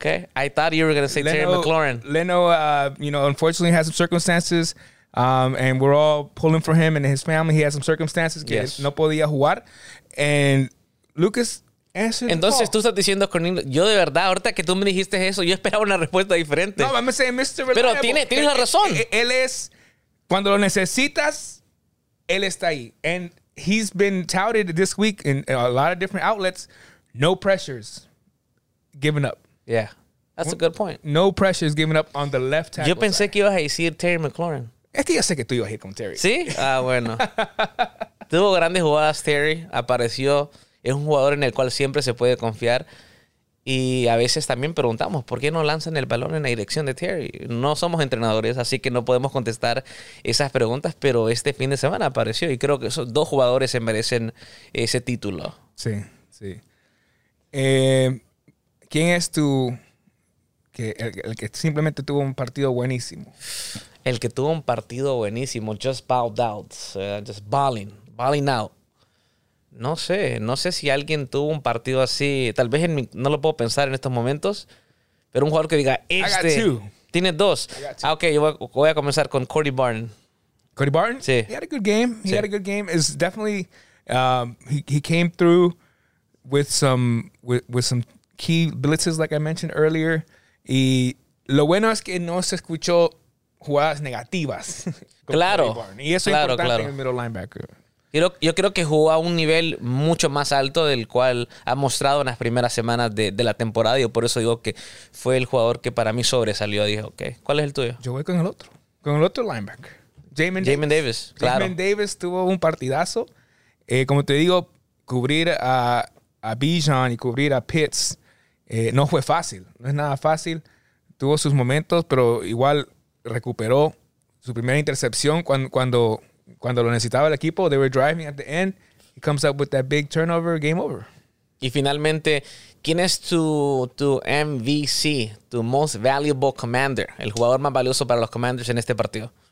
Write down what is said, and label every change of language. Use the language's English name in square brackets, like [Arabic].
[English] Okay. I thought you were going to say Terry McLaurin. Leno, you know, unfortunately has some circumstances, and we're all pulling for him and his family. He has some circumstances [Spanish] que no podía jugar. [English] And Lucas answered. [Spanish] Entonces, tú estás diciendo con... Yo de verdad, ahorita que tú me dijiste eso, yo esperaba una respuesta diferente. [English] No, I'm going to say Mr. Reliable. [Spanish] Pero tienes la razón. Él es... Cuando lo necesitas, él está ahí. [English] And he's been touted this week in a lot of different outlets. No pressures. Giving up. Yeah. That's a good point. No pressure is given up on the left tackle. [Spanish] Yo pensé side. Que ibas a decir Terry McLaurin. Es que yo sé que tú ibas a ir con Terry. ¿Sí? Ah, bueno. Tuvo grandes jugadas, Terry. Apareció. Es un jugador en el cual siempre se puede confiar. Y a veces también preguntamos, ¿por qué no lanzan el balón en la dirección de Terry? No somos entrenadores, así que no podemos contestar esas preguntas, pero este fin de semana apareció y creo que esos dos jugadores se merecen ese título. Sí, sí. ¿Quién es tu... el que simplemente tuvo un partido buenísimo? El que tuvo un partido buenísimo, [English] just bowed out, just balling out. [Spanish] No sé si alguien tuvo un partido así. Tal vez en mi, no lo puedo pensar en estos momentos. Pero un jugador que diga, este. Tiene dos. Ah, ok, yo voy a comenzar con Cody Barton. Cody Barton? Sí. [English] He had a good game. He had a good game. It's definitely, he came through with some, with some key blitzes, like I mentioned earlier. [Spanish] Y lo bueno es que no se escuchó jugadas negativas. Claro. Y eso es importante en el middle linebacker. Yo creo que jugó a un nivel mucho más alto del cual ha mostrado en las primeras semanas de la temporada. Y por eso digo que fue el jugador que para mí sobresalió. Dije, ok, ¿cuál es el tuyo? Yo voy con el otro. Con el otro linebacker. Jamin Davis, claro. Jamin Davis tuvo un partidazo. Como te digo, cubrir a Bijan y cubrir a Pitts no fue fácil. No es nada fácil. Tuvo sus momentos, pero igual recuperó su primera intercepción cuando lo necesitaba el equipo. [English] They were driving at the end. He comes up with that big turnover, game over. [Spanish] Y finalmente, ¿quién es tu MVC, tu [English] most valuable commander, [Spanish] el jugador más valioso para los Commanders en este partido?